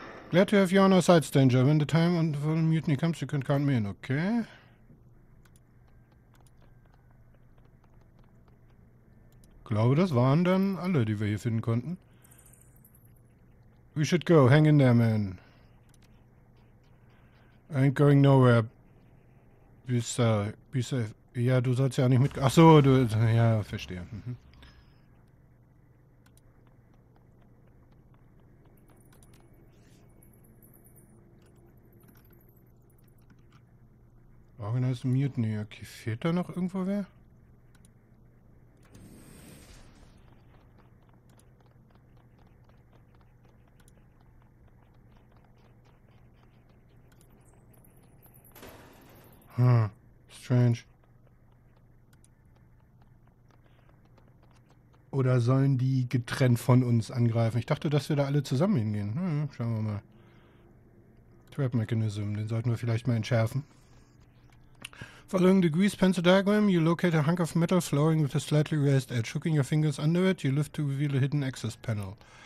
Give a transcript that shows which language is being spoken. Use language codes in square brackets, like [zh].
[en] Glad to have you on our side, Stranger. When the time on the mutiny comes, you can count me in, okay? [de] Glaube, das waren dann alle, die wir hier finden konnten. [en] We should go, hang in there, man. I ain't going nowhere. [de] Bis, ja, du sollst ja auch nicht mit... Ach so, du... Ja, verstehe. Mhm. Organized Mutiny. Okay, fehlt da noch irgendwo wer? [en] Strange. [de] Oder sollen die getrennt von uns angreifen? Ich dachte, dass wir da alle zusammen hingehen. Schauen wir mal. Trap Mechanism, den sollten wir vielleicht mal entschärfen. [en] Following the grease pencil diagram, you locate a hunk of metal flooring with a slightly raised edge. Hooking your fingers under it, you lift to reveal a hidden access panel.